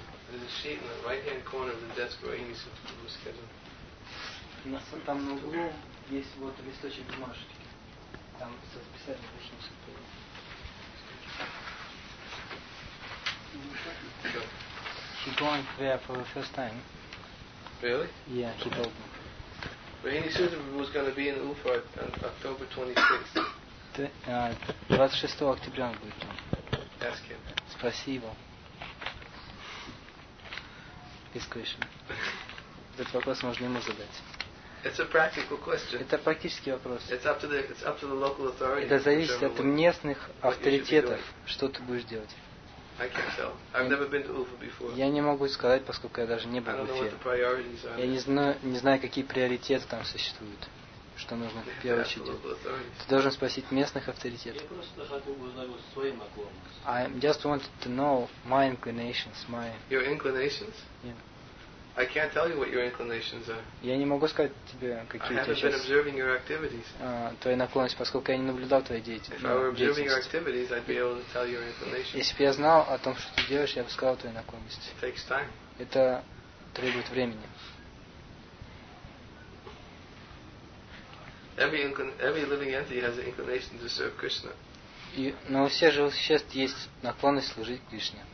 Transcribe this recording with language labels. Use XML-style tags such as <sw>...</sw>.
<en>There's a sheet in the right-hand corner of the desk where Amy said to be scheduled.</en> <ru>На самом углу есть вот листочек бумажки. Там со списанием точно все было.</ru> <en>He going there for the first time. Really? Yeah, he told me. Rainy Sutra was going to be in Ufa on October 26th.</en> <ru>26 октября он будет там.</ru> <en>Ask him.</en> <ru>Спроси его.</ru> <en>His question.</en> <ru>Этот вопрос можно ему задать.</ru> <en>It's a practical question.</en> <ru>Это практический вопрос.</ru> <en>It's up to the local authority.</en> <ru>Это зависит от местных авторитетов, что ты будешь делать.</ru> <en>I can't tell. I've never been to Ufa before.</en> <ru>Я не могу сказать, поскольку я даже не был в Уфе. Я не знаю, какие приоритеты там существуют, что нужно в первую очередь. Ты должен спросить местных авторитетов. Я просто хотел бы узнать свои наклонности.</ru> <en>I just wanted to know my inclinations, Your inclinations? Yeah. I can't tell you what your inclinations are.</en> <ru>Я не могу сказать тебе, какие у тебя сейчас.</ru> <en>I haven't been observing your activities.</en> <ru>Твои наклонности, поскольку я не наблюдал твои деятельности.</ru> <en>If I were observing your activities, I'd be able to tell your inclinations.</en> <ru>Если бы я знал о том, что ты делаешь, я бы сказал твои наклонности.</ru> <en>It takes time.</en> <ru>Это требует времени.</ru> <en>Every living entity has an inclination to serve Krishna.</en> <ru>Но у всех живых существ есть наклонность служить Кришне.</ru>